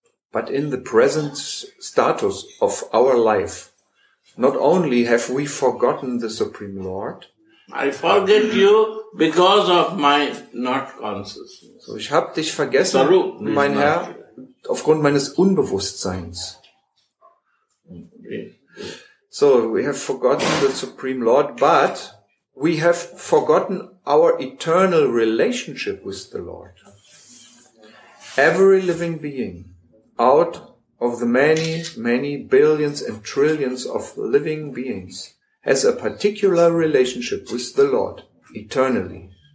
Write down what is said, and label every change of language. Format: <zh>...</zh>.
<en>But in the present status of our life, not only have we forgotten the Supreme Lord, I forget you because of my not consciousness.</en> <de>So ich habe dich vergessen, mein Herr, aufgrund meines Unbewusstseins.</de> <en>So we have forgotten the Supreme Lord, but we have forgotten our eternal relationship with the Lord. Every living being, out of the many, many billions and trillions of living beings, has a particular relationship with the Lord eternally.</en>